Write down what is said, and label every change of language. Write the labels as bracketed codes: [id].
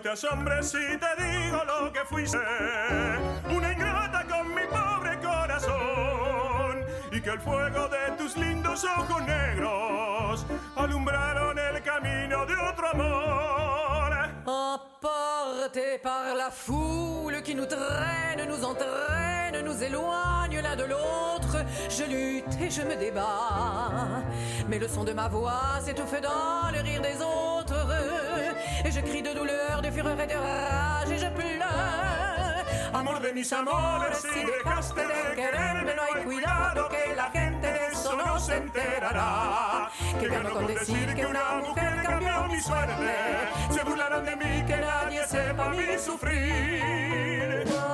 [es] hombre, si te digo lo que fuiste, una ingrata con mi pobre corazón, y que el fuego de tus lindos ojos negros alumbraron el camino de otro amor. [fr] Emporté par la foule qui nous traîne, nous entraîne, nous éloigne l'un de l'autre, je lutte et je me débat, mais le son de ma voix s'étouffe dans le rire des autres. Et je crie de douleur, de fureur et de rage, et je pleure. [es] Amor de mis amores, si dejaste de quererme, no hay cuidado que la gente de eso no se enterará. Que gano con decir que una mujer cambió mi suerte, se burlaron de mí, que nadie sepa mi sufrir.